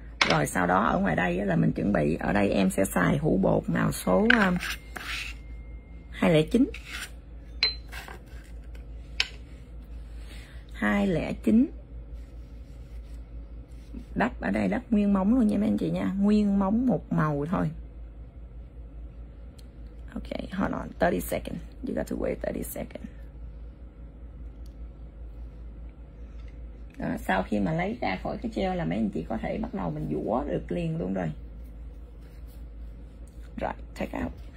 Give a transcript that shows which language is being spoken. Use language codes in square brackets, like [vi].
[vi] Rồi sau đó ở ngoài đây là mình chuẩn bị. Ở đây em sẽ xài hũ bột màu số 209. 209 đắp ở đây, đắp nguyên móng luôn nha mấy anh chị nha, nguyên móng một màu thôi. [en] Ok, hold on 30 seconds, you got to wait 30 seconds. [vi] Đó, sau khi mà lấy ra khỏi cái gel là mấy anh chị có thể bắt đầu mình vũa được liền luôn rồi. [en] Right, take out.